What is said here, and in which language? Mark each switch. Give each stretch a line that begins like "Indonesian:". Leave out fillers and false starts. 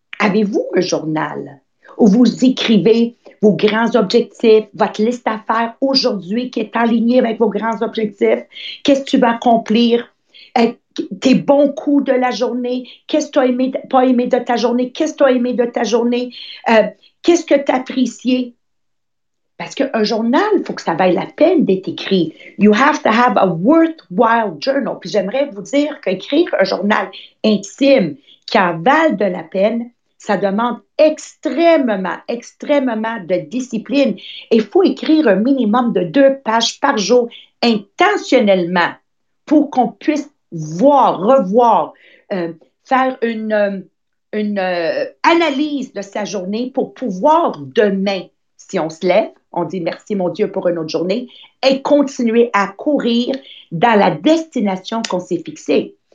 French: Avez-vous un journal où vous écrivez vos grands objectifs, votre liste d'affaires aujourd'hui qui est alignée avec vos grands objectifs? Qu'est-ce que tu vas accomplir? Tes bons coups de la journée? Qu'est-ce que tu as aimé, pas aimé de ta journée? Qu'est-ce que tu as aimé de ta journée? Qu'est-ce que tu as apprécié? Parce qu'un journal, il faut que ça vaille la peine d'être écrit.
English: You have to have a worthwhile journal.
French: Puis j'aimerais vous dire qu'écrire un journal intime qui en vaille de la peine, ça demande extrêmement, extrêmement de discipline. Il faut écrire un minimum de 2 pages par jour intentionnellement pour qu'on puisse voir, revoir, faire une analyse de sa journée pour pouvoir demain, si on se lève, on dit merci mon Dieu pour une autre journée, et continuer à courir dans la destination qu'on s'est fixée.